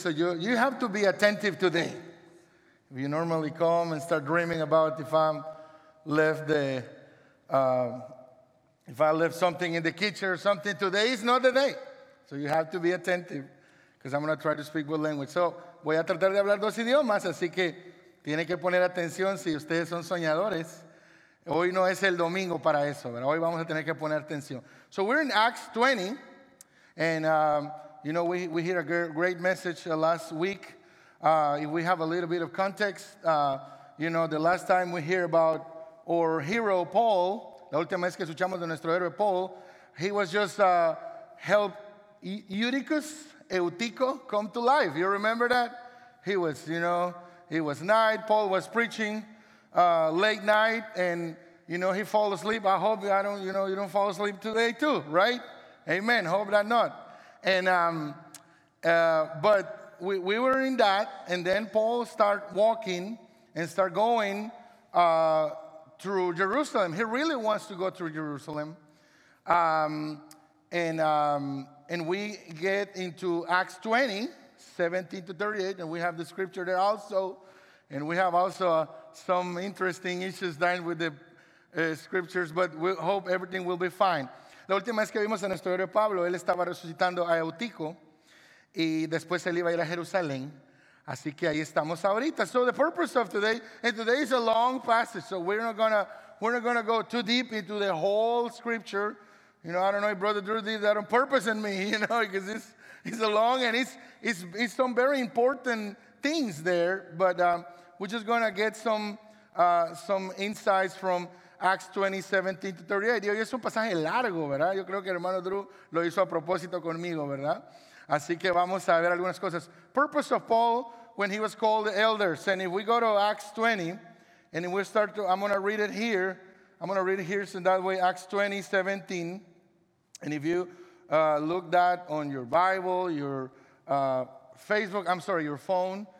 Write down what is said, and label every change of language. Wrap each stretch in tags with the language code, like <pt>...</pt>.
<en>So you have to be attentive today. If you normally come and start dreaming about if I'm left the if I left something in the kitchen or something, today is not the day. So you have to be attentive, because I'm going to try to speak both languages. So</en> <es>voy a tratar de hablar dos idiomas, así que tiene que poner atención si ustedes son soñadores. Hoy no es el domingo para eso, pero hoy vamos a tener que poner atención.</es> <en>So we're in Acts 20, and you know, we hear a great message last week. If we have a little bit of context, you know, the last time we hear about our hero, Paul,</en> <es>la última vez que escuchamos de nuestro héroe, Paul,</es> <en>he was just helped Eutico come to life. You remember that? He was, you know, it was night. Paul was preaching late night, and, you know, he fell asleep. I hope you don't fall asleep today too, right? Amen. Hope that not. And, but we were in that, and then Paul start walking and start going through Jerusalem. He really wants to go through Jerusalem. And we get into Acts 20, 17 to 38, and we have the scripture there also. And we have also some interesting issues dealing with the scriptures, but we hope everything will be fine.</en> <es>La última vez que vimos a nuestro héroe Pablo, él estaba resucitando a Eutico, y después él iba a ir a Jerusalén. Así que ahí estamos ahorita.</es> <en>So the purpose of today, and today is a long passage, so we're not gonna go too deep into the whole scripture. You know, I don't know if Brother Drew did that on purpose in me, you know, because it's a long and it's some very important things there. But we're just gonna get some insights from Acts 20, 17 to 38.</en> <es>Y es un pasaje largo, ¿verdad? Yo creo que el hermano Drew lo hizo a propósito conmigo, ¿verdad? Así que vamos a ver algunas cosas.</es> <en>Purpose of Paul when he was called the elders. And if we go to Acts 20, and we start to, I'm going to read it here, so that way Acts 20, 17. And if you look that on your Bible, your Facebook, I'm sorry, your phone.</en>